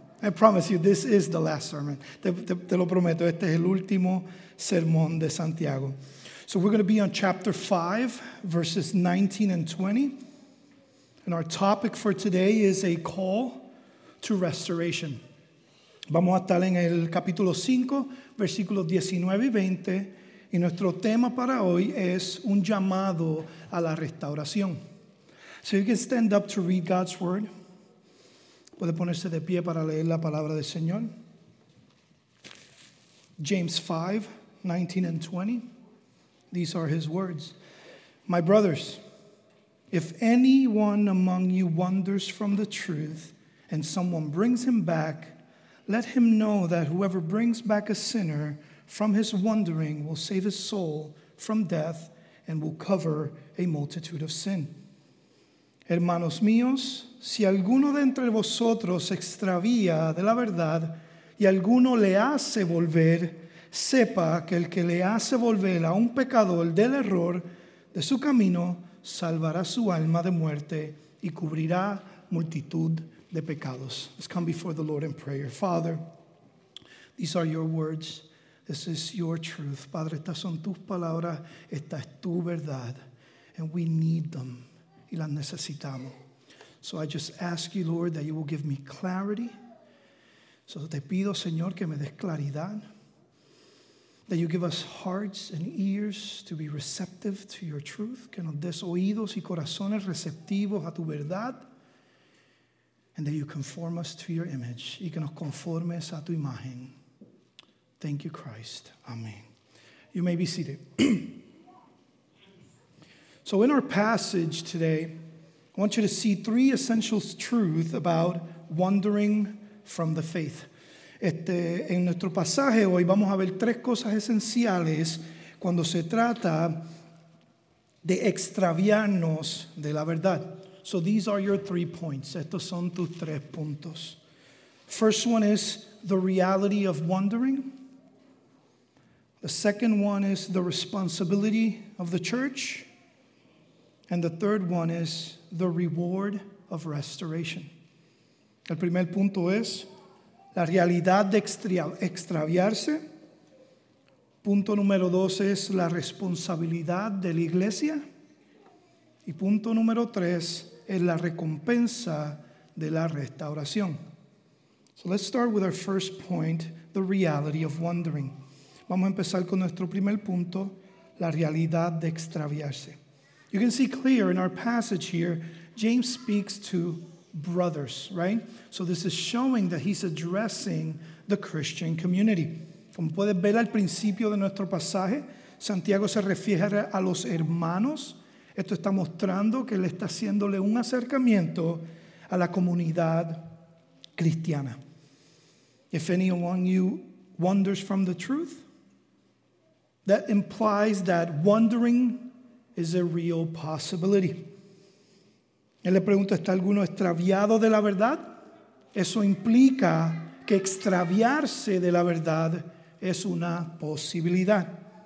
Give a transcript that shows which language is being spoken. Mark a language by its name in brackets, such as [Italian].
[English] I promise you, this is the last sermon. [Spanish] Te lo prometo, este es el último sermón de Santiago. [English] So we're going to be on chapter 5, verses 19 and 20. And our topic for today is a call to restoration. [Spanish] Vamos a estar en el capítulo 5, versículos 19 y 20. Y nuestro tema para hoy es un llamado a la restauración. [English] So you can stand up to read God's word. [Spanish] Puede ponerse de pie para leer la palabra del Señor. [English] James 5, 19 and 20. These are his words. My brothers, if anyone among you wanders from the truth and someone brings him back, let him know that whoever brings back a sinner from his wandering will save his soul from death and will cover a multitude of sin. [Spanish] Hermanos míos, si alguno de entre vosotros extravía de la verdad y alguno le hace volver, sepa que el que le hace volver a un pecador del error de su camino salvará su alma de muerte y cubrirá multitud de pecados. [English] Let's come before the Lord in prayer. Father, these are your words. This is your truth. [Spanish] Padre, estas son tus palabras. Esta es tu verdad. [English] And we need them. [Spanish] Y las necesitamos. [English] So I just ask you, Lord, that you will give me clarity. [Spanish] So te pido, Señor, que me des claridad. [English] That you give us hearts and ears to be receptive to your truth. [Spanish] Que nos des oídos y corazones receptivos a tu verdad. [English] And that you conform us to your image. [Spanish] Y que nos conformes a tu imagen. [English] Thank you, Christ. Amen. You may be seated. So in our passage today, I want you to see three essential truths about wandering from the faith. [Spanish] En nuestro pasaje hoy vamos a ver tres cosas esenciales cuando se trata de extraviarnos de la verdad. [English] So these are your 3 points. [Spanish] Estos son tus 3 puntos. [English] First one is the reality of wandering. The second one is the responsibility of the church. And the third one is the reward of restoration. [Spanish] El primer punto es la realidad de extraviarse. Punto número 2 es la responsabilidad de la iglesia. Y punto número 3 es la recompensa de la restauración. [English] So let's start with our first point, the reality of wandering. [Spanish] Vamos a empezar con nuestro primer punto, la realidad de extraviarse. [English] You can see clear in our passage here, James speaks to brothers, right? So this is showing that he's addressing the Christian community. [Spanish] Como puedes ver al principio de nuestro pasaje, Santiago se refiere a los hermanos. Esto está mostrando que él está haciéndole un acercamiento a la comunidad cristiana. [English] If anyone you wanders from the truth, that implies that wandering is a real possibility. [Spanish] Él le pregunta, ¿está alguno extraviado de la verdad? Eso implica que extraviarse de la verdad es una posibilidad.